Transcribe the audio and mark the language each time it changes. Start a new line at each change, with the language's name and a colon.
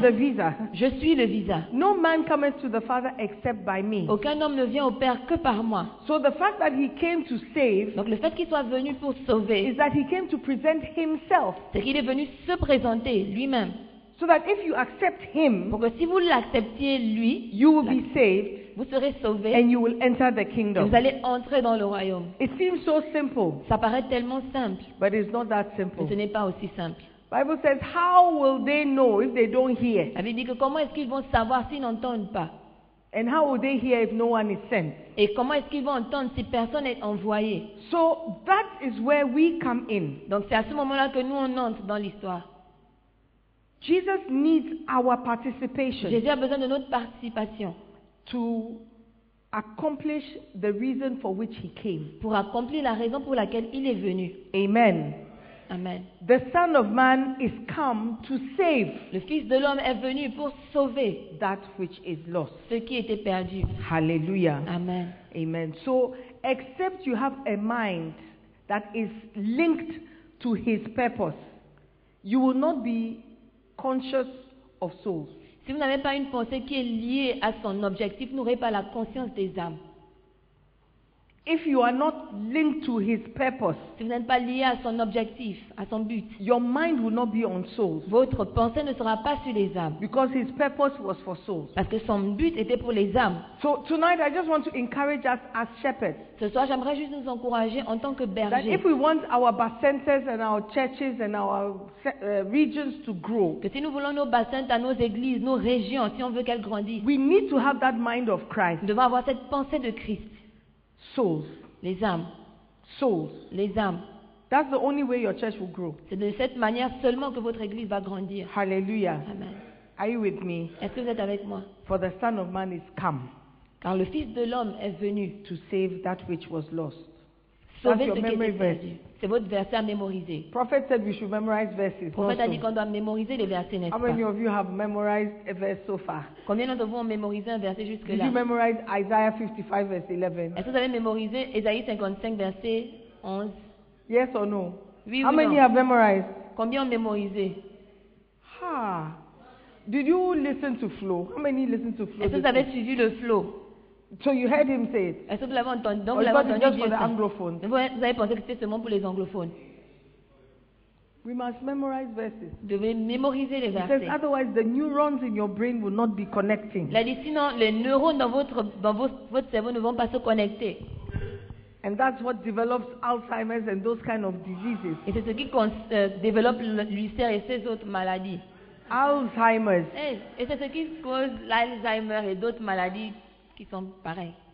English: I am the visa.
French: Je suis le visa.
English: No man cometh to the Father except by me.
French: Aucun homme ne vient au Père que par moi.
English: So the fact that he came to save.
French: Donc le fait qu'il soit venu pour sauver.
English: Is that he came to present himself.
French: C'est qu'il est venu se présenter lui-même.
English: So that if you accept him.
French: Pour que si vous l'acceptiez lui.
English: You will be saved.
French: Vous serez sauvés.
English: And you will enter the kingdom.
French: Et vous allez entrer dans le royaume.
English: It seems so simple.
French: Ça paraît tellement simple.
English: But it's not that simple.
French: Mais ce n'est pas aussi simple.
English: Bible says, "How will they know if they don't hear?"
French: La Bible dit que comment est-ce qu'ils vont savoir s'ils n'entendent pas?
English: And how will they hear if no one is sent?
French: Et comment est-ce qu'ils vont entendre si personne n'est envoyé?
English: So that is where we come in.
French: Donc c'est à ce moment-là que nous on entre dans l'histoire.
English: Jesus needs our participation.
French: Jésus a besoin de notre participation.
English: To accomplish the reason for which he came.
French: Pour accomplir la raison pour laquelle il est venu.
English: Amen.
French: Amen.
English: The Son of Man is come to save.
French: Le Fils de l'homme est venu pour sauver.
English: That which is lost.
French: Ce qui était perdu.
English: Hallelujah.
French: Amen.
English: Amen. So, except you have a mind that is linked to his purpose, you will not be conscious of souls.
French: Si vous n'avez pas une pensée qui est liée à son objectif, vous n'aurez pas la conscience des âmes.
English: If you are not linked to his purpose,
French: si vous n'êtes pas lié à son objectif, à son but,
English: your mind will not be on souls.
French: Votre pensée ne sera pas sur les âmes.
English: Because his purpose was for souls.
French: Parce que son but était pour les âmes.
English: So tonight I just want to encourage us as shepherds.
French: Ce soir, j'aimerais juste nous encourager en tant que bergers.
English: That if we want our bassins and our churches and our regions to grow.
French: Que si nous voulons nos bassins, nos églises, nos régions, si on veut qu'elles grandissent.
English: We need to have that mind of Christ.
French: Nous devons avoir cette pensée de Christ.
English: Souls,
French: les âmes.
English: Souls,
French: les âmes.
English: That's the only way your church will grow.
French: C'est de cette manière seulement que votre église va grandir.
English: Hallelujah.
French: Amen.
English: Are you with me?
French: Est-ce que vous êtes avec moi?
English: For the Son of Man is come.
French: Car le Fils de l'homme est venu.
English: To save that which was lost.
French: Sauver ce qui était perdu. C'est votre verset à mémoriser.
English: Prophet said we should memorize verses.
French: Prophète a dit qu'on doit mémoriser les versets, n'est-ce pas?
English: How many of you have memorized a verse so far?
French: Combien d'entre vous ont mémorisé un verset jusque-là?
English: Did you memorize Isaiah 55 verse 11?
French: Est-ce que vous avez mémorisé Ésaïe 55 verset 11?
English: Yes or no?
French: Oui,
English: how many
French: non?
English: Have memorized?
French: Combien ont mémorisé?
English: Ha! Did you listen to Flo? How many listen to Flo?
French: Est-ce que vous avez suivi le flow?
English: So you heard him say it.
French: Est-ce que vous l'avez entendu? Donc vous l'avez entendu
English: just for the anglophones.
French: Vous avez pensé que c'était seulement pour les anglophones.
English: We must memorize verses.
French: Vous devez mémoriser les versets.
English: He says otherwise the neurons in your brain will not be connecting.
French: Là, sinon les neurones dans votre cerveau ne vont pas se connecter.
English: And that's what develops Alzheimer's and those kind of diseases.
French: Et c'est ce qui développe l'ulcère et ces autres maladies.
English: Alzheimer's.
French: Et c'est ce qui cause l'Alzheimer et d'autres maladies. Qui sont pareils.